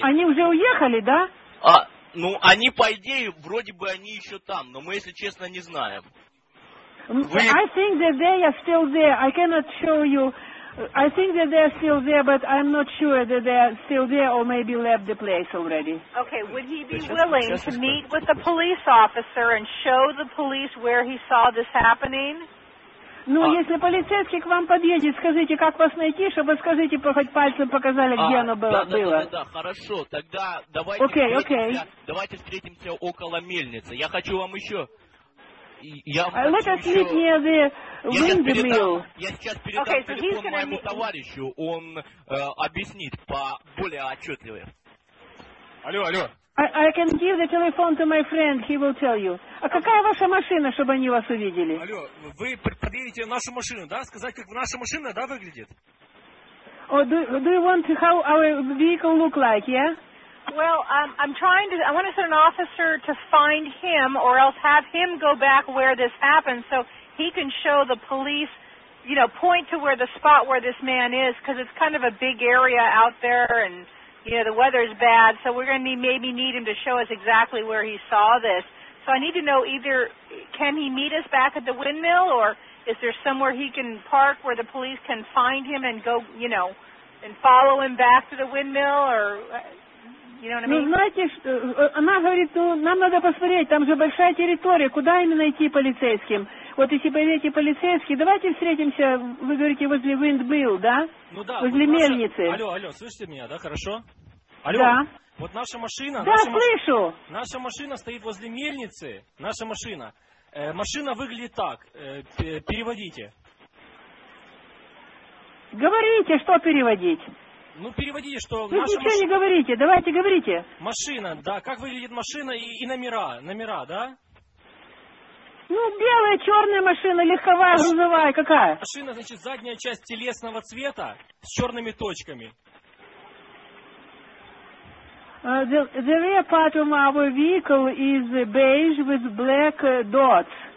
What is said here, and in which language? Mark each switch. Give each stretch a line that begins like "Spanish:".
Russian: Они уже уехали, да? Ну, они, по идее, вроде бы они еще там, но мы, если честно, не знаем.
English: I think that they are still there. I cannot show you... I think that they're still there, but I'm not sure that they're still there or maybe left the place already. Okay, would he be willing to meet with a police officer and show the police where he saw this happening?
Russian: Ну, если полицейский к вам подъедет, скажите, как вас найти, чтобы, скажите, хоть пальцем показали, где оно было. Да, хорошо, тогда давайте,
English: okay,
Russian: встретимся, okay. Давайте встретимся около мельницы. Я хочу вам еще...
English: Let us meet near the windmill.
Russian: Я сейчас передам телефон моему товарищу, он объяснит более отчетливо. Алло.
English: I can give the telephone to my friend, he will tell you.
Russian: А какая ваша машина, чтобы они вас увидели? Алло, вы подъедете нашу машину, да? Сказать, как наша машина, да, выглядит?
English: Oh, do you want how our vehicle look like, yeah? Well, I want to send an officer to find him or else have him go back where this happened so he can show the police, you know, point to where the spot where this man is because it's kind of a big area out there and, you know, the weather's bad. So we're going to maybe need him to show us exactly where he saw this. So I need to know either can he meet us back at the windmill or is there somewhere he can park where the police can find him and go, you know, and follow him back to the windmill or... You know what I mean?
Russian: Ну, знаете, она говорит, ну, нам надо посмотреть, там же большая территория, куда именно идти полицейским? Вот если поверите полицейские, давайте встретимся, вы говорите, возле Windmill, да? Ну да. Возле мельницы. Алло, алло, слышите меня, да, хорошо? Алло. Да. Вот наша машина... Да, слышу. Наша машина стоит возле мельницы, наша машина. Машина выглядит так, переводите. Говорите, что переводить. Ну, переводите, что... Ну, ничего не говорите, давайте говорите. Машина, да, как выглядит машина и номера, номера, да? Ну, белая, черная машина, легковая, грузовая, какая? Машина, значит, задняя часть телесного цвета с черными точками.
English: The rear part of our vehicle is beige with black dots.